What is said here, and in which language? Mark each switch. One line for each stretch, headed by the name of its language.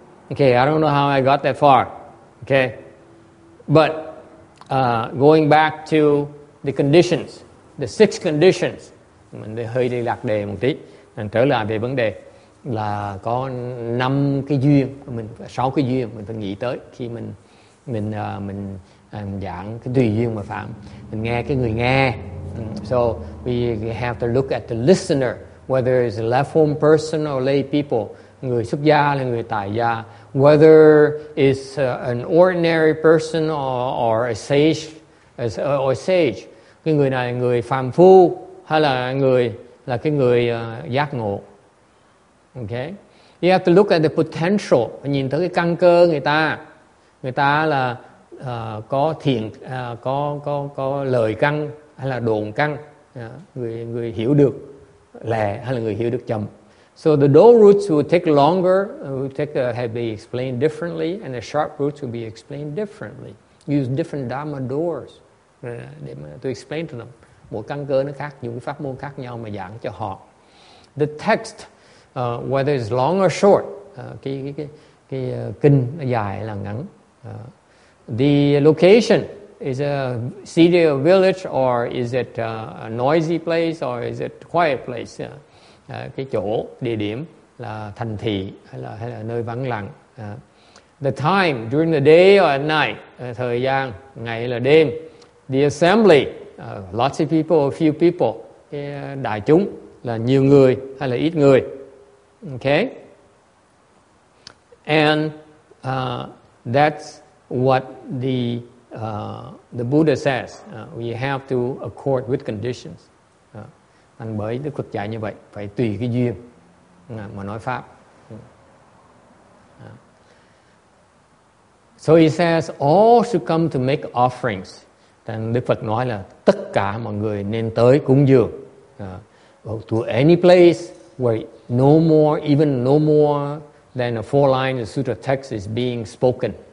English: Okay, I don't know how I got that far. Okay. But going back to the conditions, the six conditions.
Vietnamese: Mình hơi đi lạc đề một tí. Mình trở lại về vấn đề là có năm cái duyên, mình sáu cái duyên mình phải nghĩ tới khi mình giảng cái tùy duyên mà phạm. Mình nghe cái người nghe.
English: So we have to look at the listener, whether it's a left-form person or lay people,
Vietnamese: người xuất gia là người tại gia,
English: whether it's an ordinary person or a sage,
Vietnamese: or a sage, cái người này là người phàm phu hay là người là cái người giác ngộ.
English: Okay, you have to look at the potential,
Vietnamese: nhìn thấy cái căn cơ người ta là có thiện, có lời căn. Hay là đồn căn, người hiểu được lẹ hay là người hiểu được chậm.
English: So the dull roots will take longer, will take have be explained differently, and the sharp roots will be explained differently. Use different dharma doors để mà tôi explain to them.
Vietnamese: Mỗi căn cơ nó khác, dùng pháp môn khác nhau mà giảng cho họ.
English: The text, whether it's long or short,
Vietnamese: cái kinh dài là ngắn.
English: The location. Is a city or village, or is it a noisy place, or is it a quiet place?
Vietnamese: Cái chỗ, địa điểm là thành thị hay là nơi vắng lặng.
English: The time, during the day or at night,
Vietnamese: thời gian, ngày là đêm.
English: The assembly, lots of people, a few people,
Vietnamese: cái đại chúng là nhiều người hay là ít người.
English: Okay? And that's what the Buddha says we have to accord with conditions.
Vietnamese: Thành bởi Đức Phật dạy như vậy, phải tùy cái duyên mà nói pháp.
English: So he says all should come to make offerings.
Vietnamese: Thành Đức Phật nói là tất cả mọi người nên tới cúng dường.
English: To any place where no more than a four line of sutra text is being spoken.